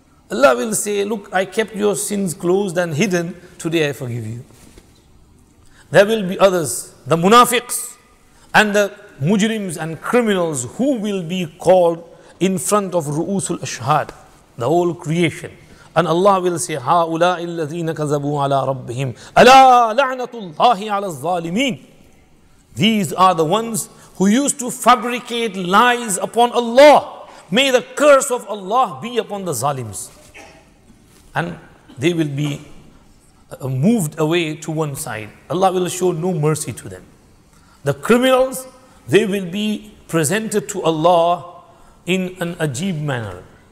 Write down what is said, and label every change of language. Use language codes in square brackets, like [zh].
[en] Allah will say, look, I kept your sins closed and hidden. Today I forgive you. There will be others, the munafiqs and the mujrims and criminals who will be called in front of Ru'usul Ashhad, the whole creation. And Allah will say, [ar] هَؤُلَاءِ الَّذِينَ كَذَبُوا عَلَىٰ رَبِّهِمْ أَلَىٰ لَعْنَةُ اللَّهِ عَلَىٰ الظَّالِمِينَ. [en] These are the ones who used to fabricate lies upon Allah. May the curse of Allah be upon the zalims. And they will be moved away to one side. Allah will show no mercy to them. The criminals, they will be presented to Allah in an ajeeb manner.